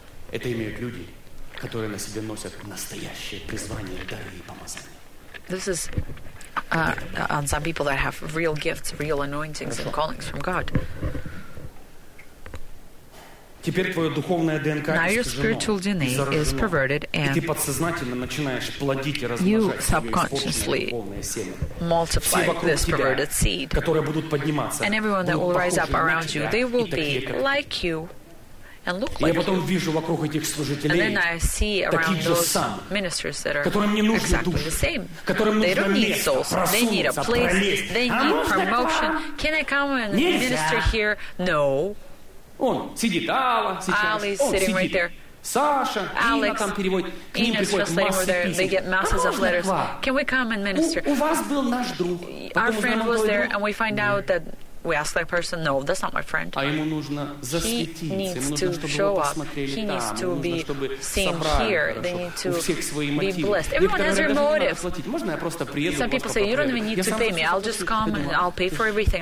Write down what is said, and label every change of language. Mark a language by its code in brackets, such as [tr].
[ru] Это имеют люди, которые на себе носят настоящее призвание, дары и помазания. [en] This is on some people that have real gifts, real anointings and callings from God. [ru] Теперь твое духовное ДНК искажено и заражено. И ты подсознательно начинаешь плодить и размножать свое духовное семя. Все вокруг тебя, которые будут подниматься, будут похожи на тебя и такие, как ты. Я потом вижу вокруг этих служителей таких же самых, которым не нужны души, которым нужно место, просунуться, пролезть. А можно к вам? Нельзя. Он сидит, Алла сейчас, он сидит, [en] right there. [ru] Саша, [en] Alex, [ru] Инна там переводит, к ним приходят массы писем. [en] Can we come and minister? [ru] У вас был наш друг. [en] Our friend was there, and we find out that We ask that person, no, that's not my friend. He needs to show up. He needs to be seen here. They need to be blessed. Everyone has their motive. Some people say, you don't even need to pay me. I'll just come and I'll pay for everything.